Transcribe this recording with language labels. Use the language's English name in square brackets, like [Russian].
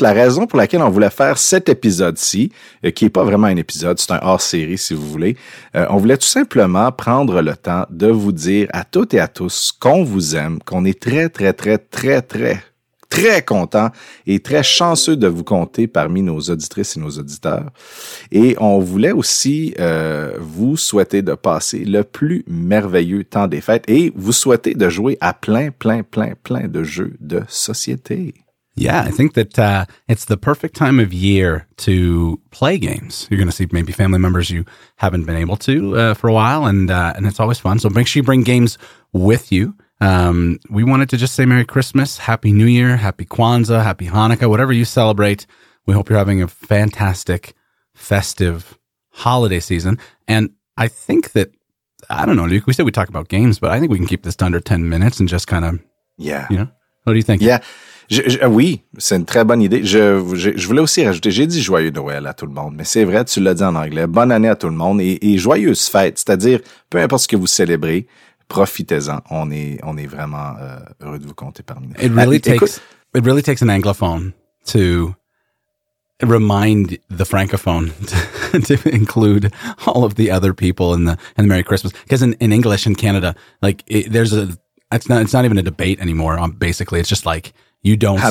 [French] La raison pour laquelle on voulait faire cet épisode-ci, qui n'est pas vraiment un épisode, c'est un hors-série si vous voulez, on voulait tout simplement prendre le temps de vous dire à toutes et à tous qu'on vous aime, qu'on est très, très, très, très, très, très content et très chanceux de vous compter parmi nos auditrices et nos auditeurs. Et on voulait aussi vous souhaiter de passer le plus merveilleux temps des fêtes et vous souhaiter de jouer à plein de jeux de société. [English] Yeah, I think that it's the perfect time of year to play games. You're going to see maybe family members you haven't been able to for a while, and it's always fun. So make sure you bring games with you. We wanted to just say Merry Christmas, Happy New Year, Happy Kwanzaa, Happy Hanukkah, whatever you celebrate. We hope you're having a fantastic, festive holiday season. And I think that, I don't know, Luke, we said we talk about games, but I think we can keep this to under 10 minutes and just kind of, yeah. You know, what do you think? Yeah. [French] Oui, c'est une très bonne idée. Je voulais aussi rajouter, j'ai dit joyeux Noël à tout le monde, mais c'est vrai, tu l'as dit en anglais, bonne année à tout le monde et joyeuse fête, c'est-à-dire, peu importe ce que vous célébrez, profitez-en. On est vraiment heureux de vous compter parmi nous. [English] It really takes an anglophone to remind the francophone to include all of the other people in the Merry Christmas. Because in English in Canada, like it's not even a debate anymore. Basically, it's just like you don't